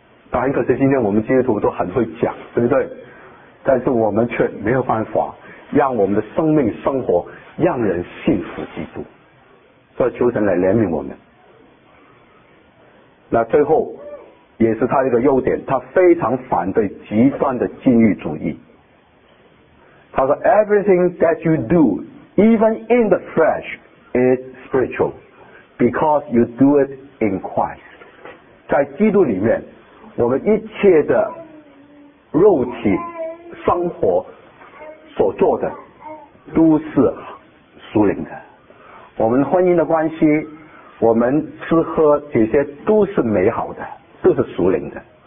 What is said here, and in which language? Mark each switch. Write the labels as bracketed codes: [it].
[zh] 当然可是今天我们基督徒都很会讲，对不对？但是我们却没有办法让我们的生命生活让人信服基督，所以求神来怜悯我们。那最后也是他一个优点，他非常反对极端的禁欲主义。 [en] 他说 Everything that you do even in the flesh is spiritual because you do it in Christ。 [zh] 在基督里面，我们一切的肉体生活所做的都是属灵的，我们婚姻的关系，我们吃喝这些都是美好的，都是属灵的。